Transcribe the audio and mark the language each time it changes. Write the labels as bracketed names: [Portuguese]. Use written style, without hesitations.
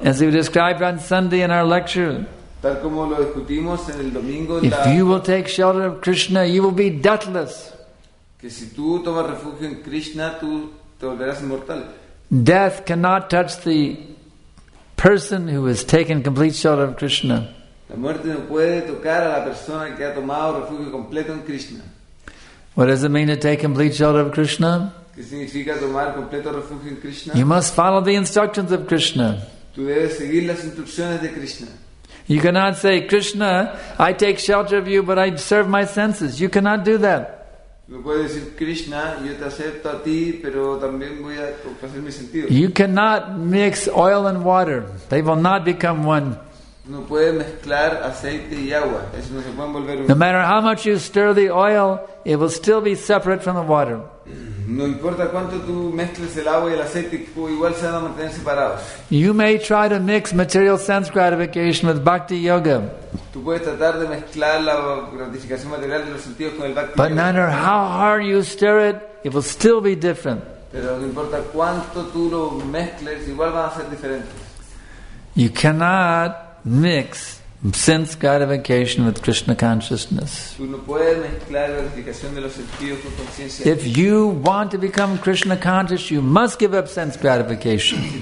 [English] As we described on Sunday in our lecture. [Spanish] Tal como lo discutimos en el domingo. [English] If you will take shelter of Krishna, you will be deathless. [Spanish] Que si tú tomas refugio en Krishna, tú te volverás inmortal. [English] Death cannot touch the person who has taken complete shelter of Krishna. [Spanish] La muerte no puede tocar a la persona que ha tomado refugio completo en Krishna. [English] What does it mean to take complete shelter of Krishna? [Spanish] ¿Qué significa tomar completo refugio en Krishna? [English] You must follow the instructions of Krishna. [Spanish] Tú debes seguir las instrucciones de Krishna. [English] You cannot say, Krishna, I take shelter of you, but I serve my senses. You cannot do that. [Spanish] No puedes decir, Krishna, yo te acepto a ti, pero también voy a hacer mi sentido. [English] You cannot mix oil and water. They will not become one. [Spanish] No puedes mezclar aceite y agua. Eso no se pueden volver uno. [English] No matter how much you stir the oil, it will still be separate from the water. [Spanish] No importa cuánto tú mezcles el agua y el aceite, igual se van a mantener separados. [English] You may try to mix material sense gratification with bhakti yoga. [Spanish] Tú puedes tratar de mezclar la gratificación material de los sentidos con el bhakti yoga. [English] But no matter how hard you stir it, it will still be different. [Spanish] Pero no importa cuánto tú lo mezcles, igual van a ser diferentes. [English] You cannot mix sense gratification with Krishna consciousness. If you want to become Krishna conscious, you must give up sense gratification.